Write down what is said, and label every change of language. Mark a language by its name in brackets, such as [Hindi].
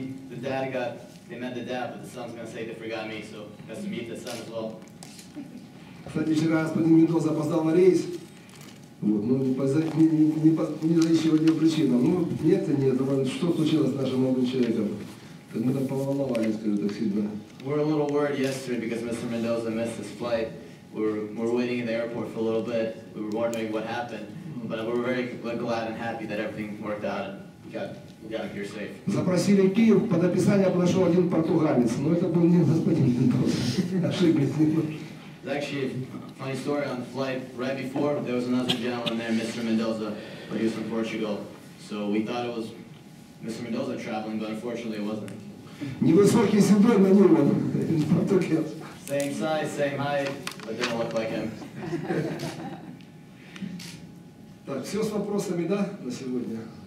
[English] The dad got, they met the dad, but the son's going to say they forgot me, so he has to meet the son as well. [Russian] Кстати, вчера господин Мендоза опоздал на рейс. Вот, ну, не за еще одним причинам. Ну, нет, что случилось с нашим молодым человеком? [English] We're a little worried yesterday because Mr. Mendoza missed his flight. We're waiting in the airport for a little bit. We were wondering what happened, but we're very glad and happy that everything worked out. We got here safe. [Russian] Запросили Киев, под описание подошел один португалец, но это был не господин Мендоза. [English] It's actually a funny story on the flight. Right before, there was another gentleman there, Mr. Mendoza, but he was from Portugal. So we thought it was Mr. Mendoza traveling, but unfortunately it wasn't. [Russian] Невысокий седой, но не он. [English] Same size, same height, but didn't look like him. [Russian] Так, все с вопросами, да, на сегодня?